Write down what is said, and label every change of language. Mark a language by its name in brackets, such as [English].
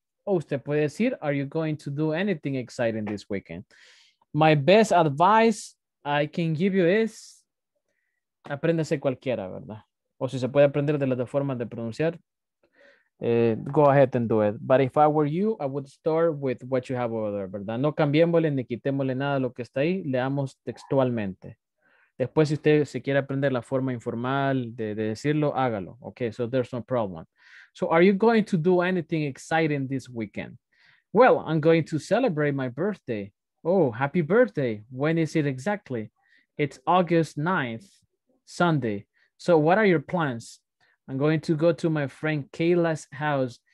[Spanish] O usted puede decir, [English] are you going to do anything exciting this weekend? My best advice I can give you is, [Spanish] apréndase cualquiera, ¿verdad? O si se puede aprender de las dos formas de pronunciar, [English] go ahead and do it. But if I were you, I would start with what you have over there, ¿verdad? [Spanish] No cambiémosle ni quitémosle nada a lo que está ahí. Leamos textualmente. Después, si usted se quiere aprender la forma informal de decirlo, hágalo. [English] Okay, so there's no problem. So are you going to do anything exciting this weekend? Well, I'm going to celebrate my birthday. Oh, happy birthday. When is it exactly? It's August 9th. Sunday. So what are your plans? I'm going to go to my friend Kayla's house.